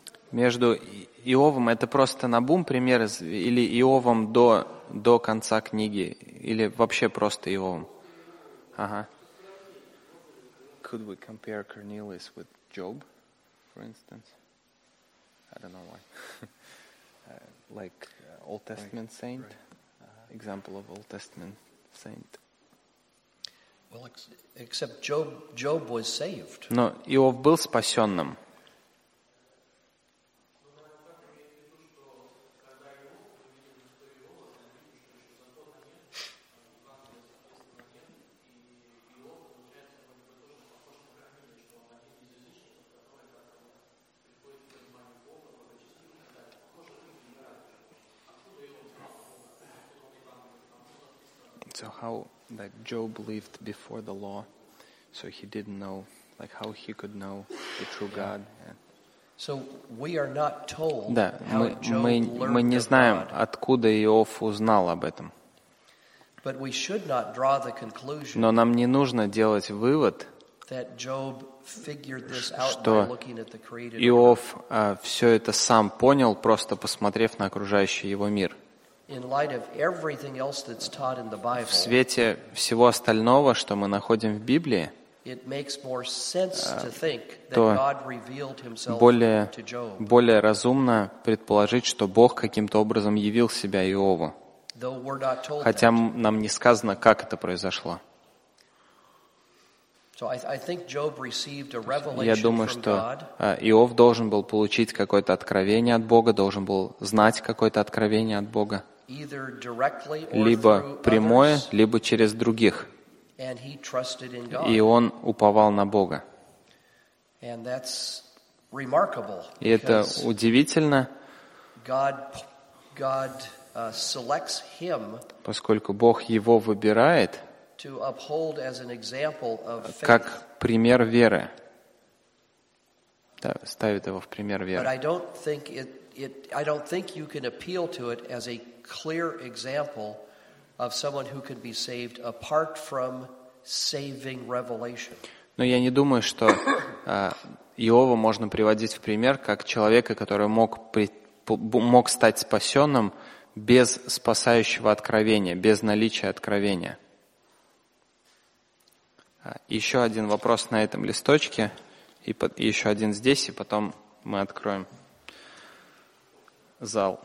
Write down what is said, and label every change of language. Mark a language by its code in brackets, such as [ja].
[ru] Между Иовом, это просто Набум пример, или Иовом до конца книги, или вообще просто Иовом? Ага. [en] Could we compare Cornelius with Job, for instance? I don't know why. Like Old Testament saint? Right. Example of Old Testament saint. Well, except Job was saved. [ru] Но Иов был спасенным. [en] So how that Job lived before the law, so he didn't know, like how he could know the true God. And so we are not told. [ru] Да, мы не знаем, откуда Иов узнал об этом. [en] But we should not draw the conclusion. [ru] Но нам не нужно делать вывод, [en] that Job figured this out by looking at the created world. [ru] Что Иов все это сам понял, просто посмотрев на окружающий его мир. [en] In light of everything else that's taught in the Bible, [ru] в свете всего остального, что мы находим в Библии, [en] it makes more sense to think that God revealed Himself to Job. [ru] Более разумно предположить, что Бог каким-то образом явил себя Иову, хотя нам не сказано, как это произошло. [en] So I think Job received a revelation. [ru] Я думаю, что Иов должен был получить какое-то откровение от Бога, должен был знать какое-то откровение от Бога. [en] Either directly or [ru] либо [en] through [ru] прямое, [en] others, [ru] либо через других. [en] And he trusted in God. [ru] И он уповал на Бога. [en] And that's remarkable, [ru] и это удивительно, [en] selects him, [ru] поскольку Бог его выбирает [en] to uphold as an example of faith. [ru] Как пример веры. ставит его в пример веры. [en] But I don't think I don't think you can appeal to it as a clear example of someone who can be saved apart from saving revelation. [ru] Но я не думаю, что Иова можно приводить в пример как человека, который мог стать спасенным без спасающего откровения, без наличия откровения. Еще один вопрос на этом листочке, и еще один здесь, и потом мы откроем зал.